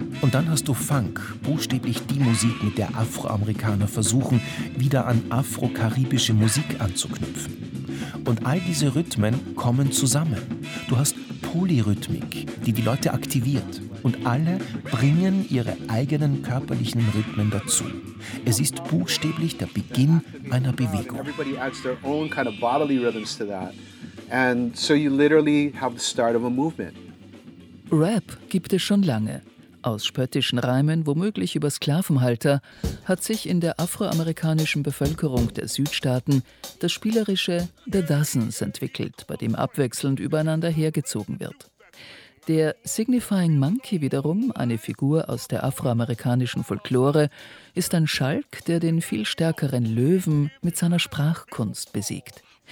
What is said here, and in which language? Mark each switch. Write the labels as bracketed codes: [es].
[de] Und dann hast du Funk, buchstäblich die Musik, mit der Afroamerikaner versuchen, wieder an afro-karibische Musik anzuknüpfen. Und all diese Rhythmen kommen zusammen. Du hast Polyrhythmik, die Leute aktiviert. Und alle bringen ihre eigenen körperlichen Rhythmen dazu. Es ist buchstäblich der Beginn einer Bewegung. [en] Everybody adds their own kind of bodily rhythms to that. And so you literally have the start of a movement. [de] Rap gibt es schon lange. Aus spöttischen Reimen, womöglich über Sklavenhalter, hat sich in der afroamerikanischen Bevölkerung der Südstaaten das spielerische The Dozens entwickelt, bei dem abwechselnd übereinander hergezogen wird. Der Signifying Monkey wiederum, eine Figur aus der afroamerikanischen Folklore, ist ein Schalk, der den viel stärkeren Löwen mit seiner Sprachkunst besiegt.